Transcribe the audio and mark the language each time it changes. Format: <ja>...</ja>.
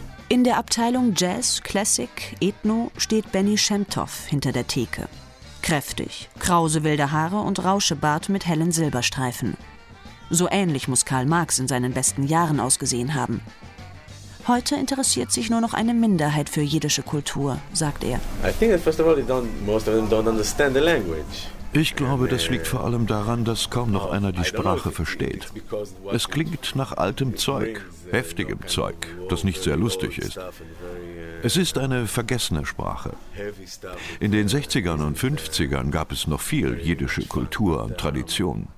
<de>In der Abteilung Jazz, Classic, Ethno steht Benny Shemtov hinter der Theke. Kräftig, krause wilde Haare und Rauschebart mit hellen Silberstreifen. So ähnlich muss Karl Marx in seinen besten Jahren ausgesehen haben. Heute interessiert sich nur noch eine Minderheit für jiddische Kultur, sagt er.</de> <en>I think that first of all, most of them don't understand the language.</en> <de>Ich glaube, das liegt vor allem daran, dass kaum noch einer die Sprache versteht. Es klingt nach altem Zeug, heftigem Zeug, das nicht sehr lustig ist. Es ist eine vergessene Sprache. In den 60ern und 50ern gab es noch viel jiddische Kultur und Tradition.</de>